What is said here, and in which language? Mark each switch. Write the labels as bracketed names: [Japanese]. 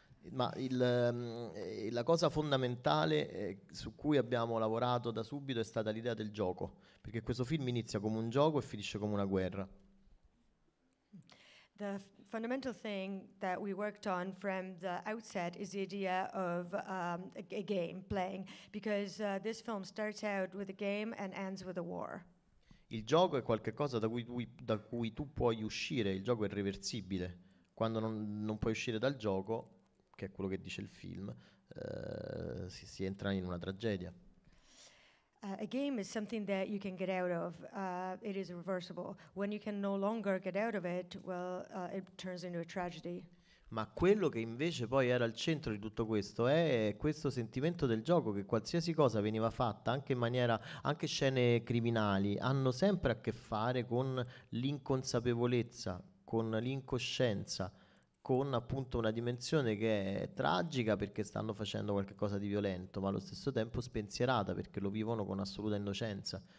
[Italian] Ma la cosa fondamentale su cui abbiamo lavorato da subito è stata l'idea del gioco, perché questo film inizia come un gioco e finisce come una guerra. [English] The fundamental thing that we worked on from the outset is the idea of a game, playing, because this film starts out with a game and ends with a war. [Italian] Il gioco è qualcosa da cui tu puoi uscire, il gioco è irreversibile. Quando non puoi uscire dal gioco, che è quello che dice il film, si entra in una tragedia. [English] A game is something that you can get out of. It is irreversible. When you can no longer get out of it, well, it turns into a tragedy. [Italian] Ma quello che invece poi era al centro di tutto questo è questo sentimento del gioco, che qualsiasi cosa veniva fatta, anche scene criminali, hanno sempre a che fare con l'inconsapevolezza, con l'incoscienza, con appunto una dimensione che è tragica perché stanno facendo qualcosa di violento, ma allo stesso tempo spensierata perché lo vivono con assoluta innocenza.